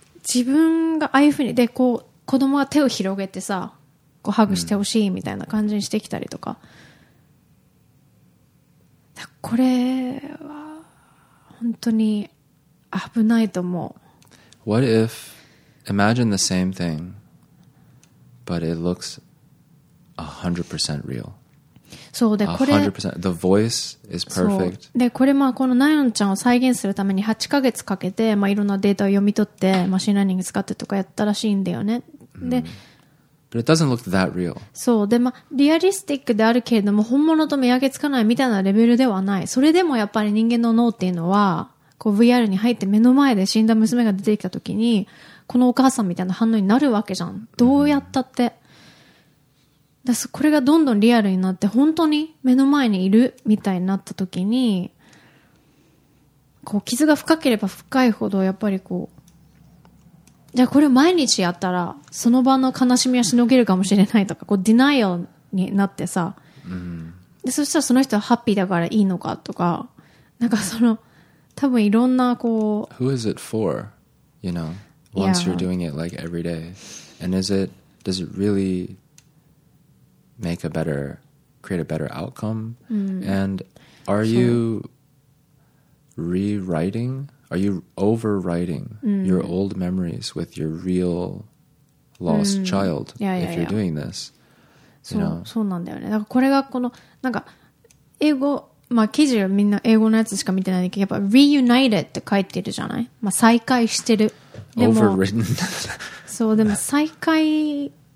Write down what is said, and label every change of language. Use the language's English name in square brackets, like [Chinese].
[Japanese] 自分がああいうふうに、で、こう、子供が手を広げてさ、こう、ハグしてほしいみたいな感じにしてきたりとか。うん、これは、本当に危ないと思う。 [English] What if? Imagine the same thing, but it looks 100% real. [Japanese] そうで、これ [English] 100% the voice is perfect. [Japanese] で、これまあこのナヨンちゃんを再現するために8ヶ月かけて、まあいろんなデータを読み取って、マシンラーニング使ってとかやったらしいんだよね。で、 [English] But it doesn't look that real. [Japanese] そうで、まあリアリスティックであるけれども、本物と見分けつかないみたいなレベルではない。それでもやっぱり人間の脳っていうのは、こう VR に入って目の前で死んだ娘が出てきたときに、このお母さんみたいな反応になるわけじゃん。どうやったって。だからこれがどんどんリアルになって、本当に目の前にいるみたいになった時に、こう傷が深ければ深いほど、やっぱりこう、じゃあこれを毎日やったら、その場の悲しみはしのげるかもしれないとか、こうディナイアルになってさ、で、そしたらその人はハッピーだからいいのかとか、なんかその、多分いろんなこう。 [English] Who is it for? You know? Once you're doing it like every day, and does it really make a better, create a better outcome? And are you rewriting? Are you overwriting your old memories with your real lost child? If you're doing this, you know. [Japanese] そうなんだよね。だからこれがこのなんか英語。まあ記事はみんな英語のやつしか見てないんだけど、やっぱ reunited って書いてるじゃない？まあ再会してる。でも overwritten。そう、でも再会。